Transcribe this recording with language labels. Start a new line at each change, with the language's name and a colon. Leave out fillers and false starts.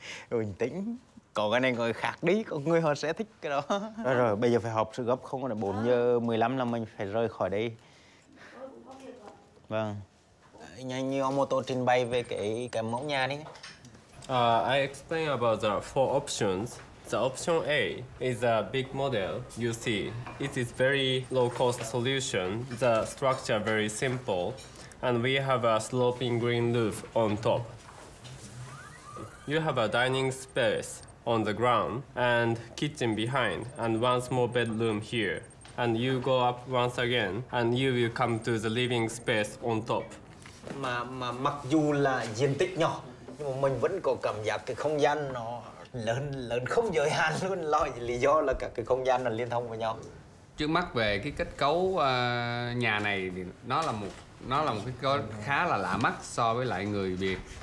Vietnamese: Bình tĩnh. Có cái này người khác đi, có người họ sẽ thích cái đó. Rồi rồi, bây giờ phải họp sự gấp không là 4:15 là mình phải rời khỏi đây. Vâng. Nhanh như ông mô tô trình bày về cái mẫu nhà đi.
English: I explain about the four options. The option A is a big model you see. It is very low cost solution. The structure very simple. And we have a sloping green roof on top. You have a dining space on the ground and kitchen behind and one small bedroom here. And you go up once again and you will come to the living space on top.
Vietnamese: Mà mặc dù là diện tích nhỏ, nhưng mà mình vẫn có cảm giác cái không gian nó lớn không giới hạn luôn, lý do là cả cái không gian là liên thông với nhau. Trước mắt về cái kết cấu nhà này thì nó là một cái khá là lạ mắt so với lại người Việt.